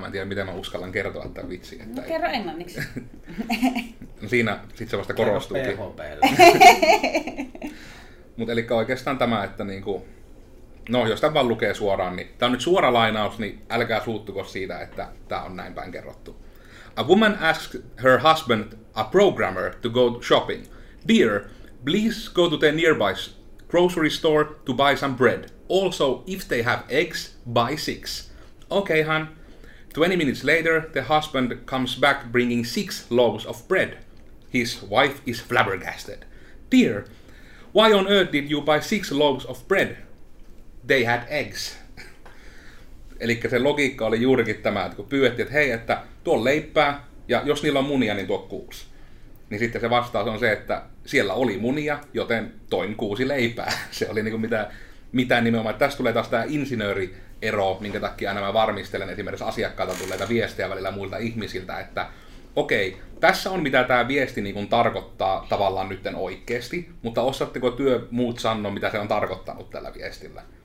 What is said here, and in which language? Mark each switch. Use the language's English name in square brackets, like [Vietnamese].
[Finnish] Mä en tiedä, miten mä uskallan kertoa tämän vitsin. No, kerro englanniksi. No, siinä sit se vasta korostuukin. Mut eli oikeastaan tämä, että niinku, no, jos tämän vaan lukee suoraan, niin tämä on nyt suora lainaus, niin älkää suuttuko siitä, että tämä on näin päin kerrottu. [English] A woman asks her husband, a programmer, to go shopping. Dear, please go to the nearby grocery store to buy some bread. Also, if they have eggs, buy 6. Okay, hon. 20 minutes later, the husband comes back bringing 6 loaves of bread. His wife is flabbergasted. Dear, why on earth did you buy 6 loaves of bread? They had eggs. [Finnish] Elikkä se logiikka oli juurikin tämä, että kun pyydettiin, että hei, että tuo leipää, ja jos niillä on munia, niin tuo 6. Niin sitten se vastaus on se, että siellä oli munia, joten toin 6 leipää. Se oli niinku mitä nimenomaan. Tässä tulee taas tämä insinööriero, minkä takia aina mä varmistelen esimerkiksi asiakkaalta tulleita viestejä välillä muilta ihmisiltä, että okei, tässä on mitä tämä viesti niin kuin tarkoittaa tavallaan nytten oikeasti, mutta osaatteko työ muut sanoa, mitä se on tarkoittanut tällä viestillä?